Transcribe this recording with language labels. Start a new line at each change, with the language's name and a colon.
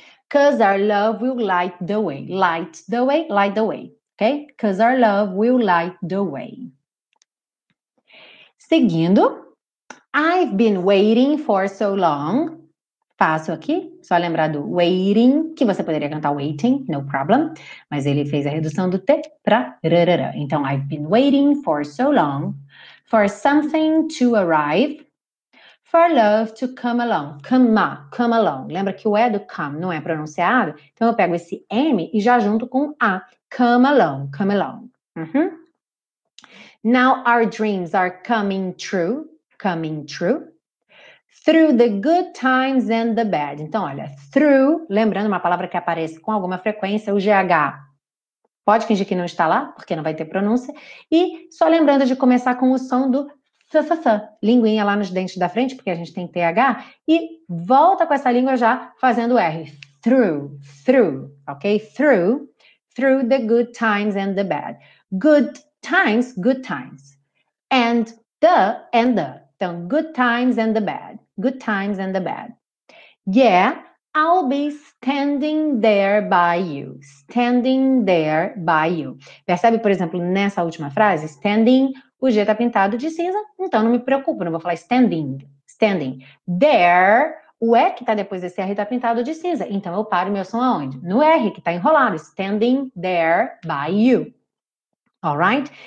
English: Cause our love will light the way. Light the way, ok? Cause our love will light the way.
Portuguese: Seguindo.
English: I've been waiting for so long.
Portuguese: Faço aqui, só lembrar do waiting, que você poderia cantar waiting,
English: no problem.
Portuguese: Mas ele fez a redução do T pra rarara. Então,
English: I've been waiting for so long for something to arrive. for love to come along. Come, come along.
Portuguese: Lembra que o E do come não é pronunciado? Então, eu pego esse M e já junto com A.
English: Come along, come along. Uh-huh. Now our dreams are coming true, coming true. Through the good times and the bad.
Portuguese: Então, olha, through, lembrando uma palavra que aparece com alguma frequência, o GH. Pode fingir que não está lá, porque não vai ter pronúncia. E só lembrando de começar com o som do ffff, linguinha lá nos dentes da frente, porque a gente tem TH. E volta com essa língua já fazendo R.
English: Through, through, ok? Through, through the good times and the bad. Good times, good times. And the, então, good times and the bad. Good times and the bad. Yeah, I'll be standing there by you. Standing there by you.
Portuguese: Percebe, por exemplo, nessa última frase, standing, o G tá pintado de cinza, então não me preocupo, não vou falar standing. Standing. There, o E que tá depois desse R tá pintado de cinza, então eu paro meu som aonde? No R, que tá enrolado.
English: Standing there by you. All right?